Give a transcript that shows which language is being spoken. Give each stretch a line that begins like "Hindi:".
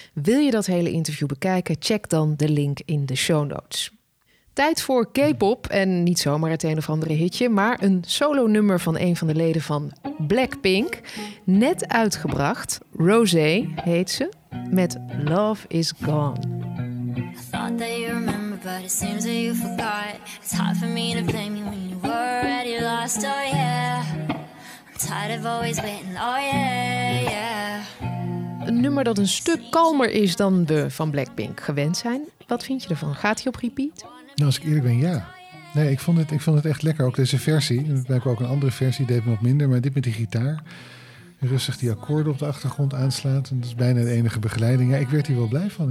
Dutch: Wil je dat hele interview bekijken? Check dan de link in de show notes. Tijd voor K-pop en niet zomaar het een of andere hitje, maar een solo nummer van een van de leden van Blackpink. Net uitgebracht, Rosé heet ze, met Love Is Gone.
English: I thought that you remember, but it seems that you forgot. It's hard for me to blame you when you were already lost, oh yeah. I'm tired of always waiting, oh yeah, yeah.
Dutch: Een nummer dat een stuk kalmer is dan we van Blackpink gewend zijn. Wat vind je ervan? Gaat hij op repeat? Nou, als ik eerlijk ben, ja. Nee, ik vond het echt lekker. Ook deze versie, blijkbaar ook een andere versie, deed me wat minder. Maar dit met die gitaar, rustig die akkoorden op de achtergrond aanslaat. En dat is bijna de enige begeleiding. Ja, ik werd hier wel blij van.